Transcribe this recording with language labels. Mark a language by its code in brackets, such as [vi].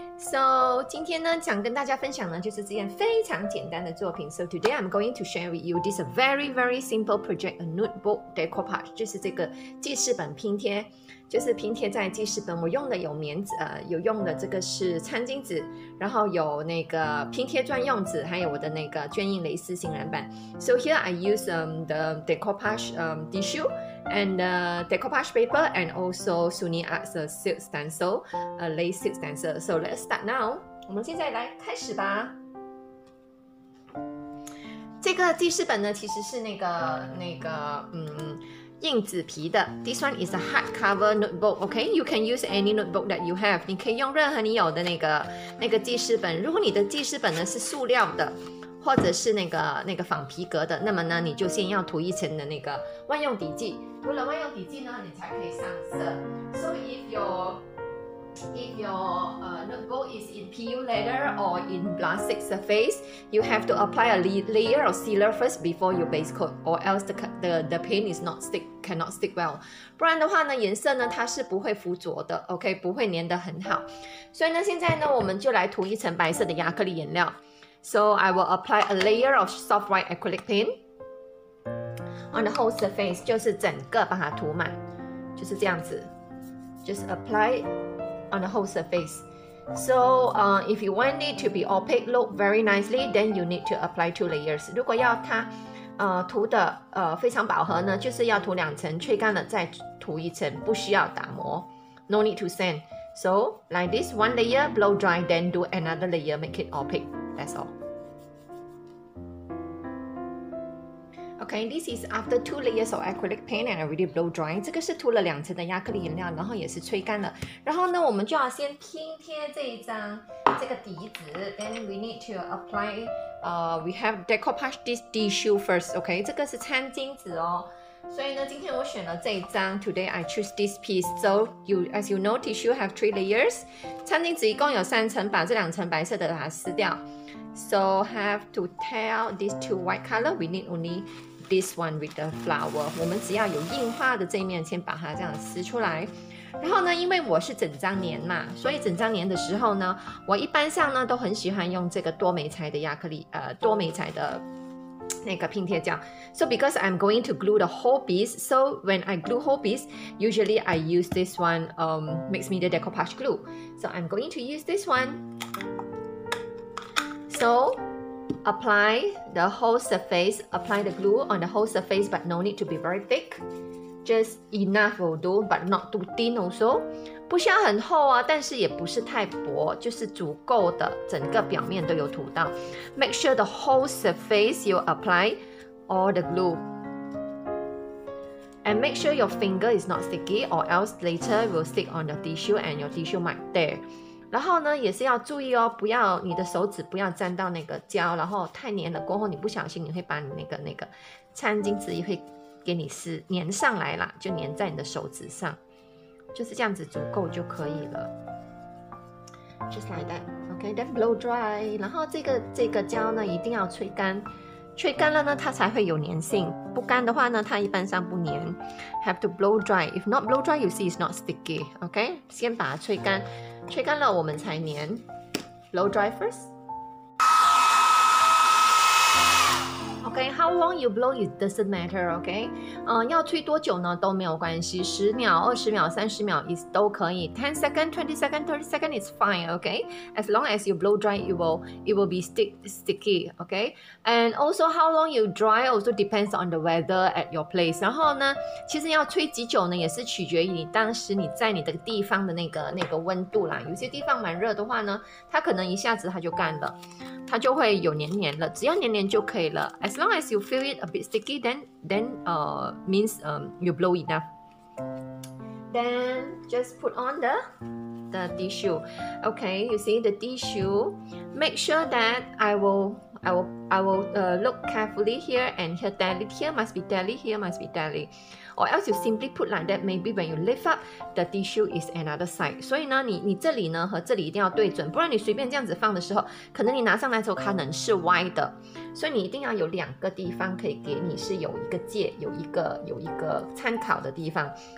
[zh] So, 今天呢，想跟大家分享呢，就是这件非常简单的作品。 [en] So today I'm going to share with you this very very simple project, a notebook decoupage. [zh] 就是这个记事本拼贴，就是拼贴在记事本。我用的有棉纸，有用的这个是餐巾纸，然后有那个拼贴专用纸，还有我的那个绢印蕾丝型染板。 [en] So here I use the decoupage tissue and the decoupage paper and also Suni Art's silk stencil, a lace silk stencil. So let's start now. [zh] 我们现在来开始吧。这个记事本呢，其实是那个硬纸皮的。 [en] This one is a hardcover notebook. Okay, you can use any notebook that you have. [zh] 你可以用任何你有的那个记事本。如果你的记事本呢是塑料的，或者是那个仿皮革的，那么呢你就先要涂一层的那个万用底剂。涂了万用底剂呢，你才可以上色。 [en] So if your notebook is in PU leather or in plastic surface, you have to apply a layer of sealer first before you base coat, or else the paint is not stick, cannot stick well. [zh] 不然的话呢，颜色呢它是不会附着的 ，OK， 不会粘得很好。所以呢，现在呢我们就来涂一层白色的亚克力颜料。 [en] So I will apply a layer of soft white acrylic paint on the whole surface, [zh] 就是整个把它涂满，就是这样子。 [en] Just apply. On the whole surface. So, if you want it to be opaque, look very nicely, then you need to apply two layers. [zh] 如果要它，涂的非常饱和呢，就是要涂两层，吹干了再涂一层，不需要打磨。 [en] No need to sand. So, like this, one layer, blow dry, then do another layer, make it opaque. That's all. Okay, this is after two layers of acrylic paint and already blow dry. [zh] 这个是涂了两层的亚克力颜料，然后也是吹干了。然后呢，我们就要先拼贴这个底纸。 [en] Then we need to apply, we have decoupage this tissue first. [zh] Okay, 这个是餐巾纸哦。所以呢，今天我选了这一张。 [en] Today I choose this piece. So you, as you know, tissue have three layers. [zh] 餐巾纸一共有三层，把这两层白色的把它撕掉。 [en] So have to tell these two white color. We need only this one with the flower. [zh] 我们只要有硬化的这一面，先把它这样撕出来。然后呢，因为我是整张粘嘛，所以整张粘的时候呢，我一般上呢都很喜欢用这个多媒材的亚克力，多媒材的那个拼贴胶。 [en] So because I'm going to glue the whole piece, so when I glue whole piece, usually I use this one, mixed media decoupage glue. So I'm going to use this one. So, apply the whole surface, apply the glue on the whole surface, but no need to be very thick. Just enough will do, but not too thin also. [zh] 不需要很厚啊，但是也不是太薄，就是足够的，整个表面都有涂到。 [en] Make sure the whole surface you apply all the glue. And make sure your finger is not sticky, or else later will stick on the tissue and your tissue might tear. [zh] 然后呢，也是要注意哦，不要你的手指不要沾到那个胶，然后太粘了，过后你不小心你会把你那个餐巾纸也会给你撕粘上来了，就粘在你的手指上，就是这样子足够就可以了。 [en] Just like that, okay. Then blow dry. [zh] 然后这个胶呢，一定要吹干，吹干了呢，它才会有粘性。不干的话呢，它一般上不粘。 [en] Have to blow dry. If not blow dry, you see it's not sticky. [zh] Okay. 先把它吹干。吹干了我们才粘。 [en] Blow dry first. Okay, how long you blow it doesn't matter, okay? [zh] 要吹多久呢都没有关系，10秒、20秒、30秒is 都可以。 [en] 10 seconds, 20 seconds, 30 seconds is fine, okay? As long as you blow dry, it will be sticky, okay? And also how long you dry also depends on the weather at your place. [zh] 然后呢，其实要吹几久呢，也是取决于你当时你在你的地方的那个温度啦。有些地方蛮热的话呢，它可能一下子它就干了，它就会有黏黏了，只要黏黏就可以了。 [en] As long as you feel it a bit sticky, then means you blow enough. Then just put on the tissue. Okay, you see the tissue. Make sure that I will I will look carefully here and here, daily here must be daily, here must be daily. Or else you simply put like that, maybe when you lift up, the tissue is another side. [zh] 所以呢 你这里呢和这里一定要对准，不然你随便这样子放的时候，可能你拿上来之后可能是歪的。所以你一定要有两个地方可以给你是有一个界，有一个参考的地方。